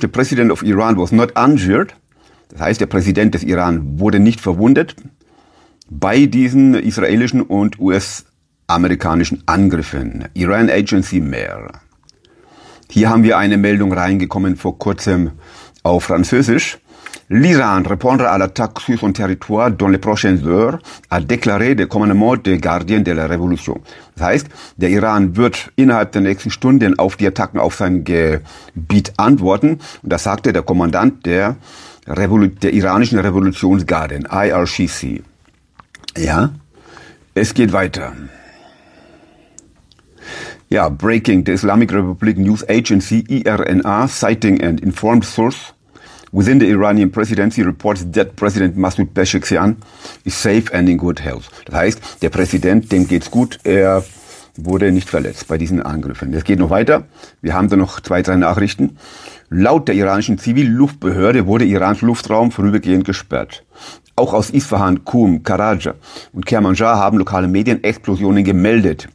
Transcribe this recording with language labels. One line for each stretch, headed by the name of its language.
English: The President of Iran was not injured.
German: Das heißt, der Präsident des Iran wurde nicht verwundet bei diesen israelischen und US-amerikanischen Angriffen. Iran Agency Mehr. Hier haben wir eine Meldung reingekommen vor kurzem auf Französisch.
French: L'Iran répondra à l'attaque sur son territoire dans les prochaines heures, a déclaré le commandement des gardiens de la Révolution.
German: Das heißt, der Iran wird innerhalb der nächsten Stunden auf die Attacken auf sein Gebiet antworten. Und das sagte der Kommandant der iranischen Revolutionsgarde, IRGC. Ja, es geht weiter.
English: Ja, Breaking, the Islamic Republic News Agency, IRNA, citing an informed source within the Iranian presidency reports that President Masoud Pezeshkian is safe and in good health.
German: Das heißt, der Präsident, dem geht's gut, er wurde nicht verletzt bei diesen Angriffen. Es geht noch weiter, wir haben da noch zwei, drei Nachrichten. Laut der iranischen Zivilluftbehörde wurde Irans Luftraum vorübergehend gesperrt. Auch aus Isfahan, Qom, Karaj und Kermanshah haben lokale Medien Explosionen gemeldet.